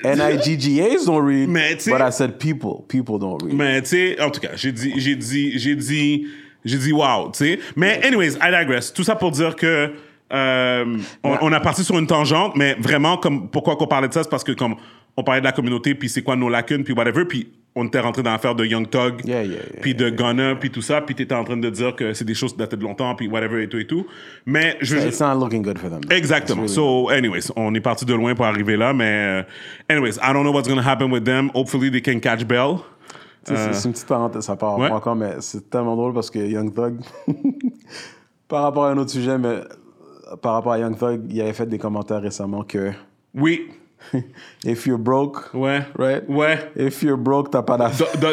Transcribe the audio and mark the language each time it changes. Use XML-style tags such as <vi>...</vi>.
<en>NIGGAs don't read, but I said people don't read.</en> <fr>Mais tu sais, en tout cas, j'ai dit wow, tu sais. Mais anyways,</fr> <en>I digress.</en> <fr>Tout ça pour dire que on a parti sur une tangente, mais vraiment, comme pourquoi qu'on parlait de ça, c'est parce que comme on parlait de la communauté, puis c'est quoi nos lacunes, puis whatever, puis on était rentré dans l'affaire de Young Thug, puis de Gunna, puis tout ça, puis t'étais en train de dire que c'est des choses qui datent de longtemps, puis whatever et tout et tout. Mais</fr> <en>it's not looking good for them.</en> <fr>Exactement.</fr> <en>Really, so anyways,</en> <fr>on est parti de loin pour arriver là,</fr> <en>mais anyways, I don't know what's gonna happen with them. Hopefully they can catch Bell.</en> <fr>C'est une petite parenthèse, ça part encore, mais c'est tellement drôle parce que Young Thug, par rapport à un autre sujet, mais par rapport à Young Thug, il avait fait des commentaires récemment que oui.</fr> <en>If you're broke,</en> <fr>ouais,</fr> <en>right?</en> <fr>Ouais.</fr> <en>If you're broke,</en> <fr>t'as pas d'affaires.</fr>